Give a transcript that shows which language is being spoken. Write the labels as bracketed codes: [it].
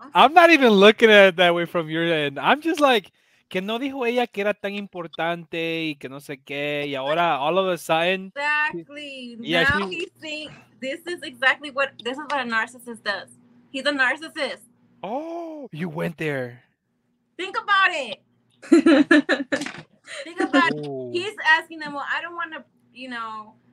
[en] I'm not even looking at it that way from your end. I'm just like... [es] Que no dijo ella que era tan importante y que no sé qué. Y ahora, [en] all of a sudden. Exactly. Yeah, now he thinks this is what a narcissist does. He's a narcissist. Oh, you went there. Think about it. He's asking them, well, I don't want to, you know.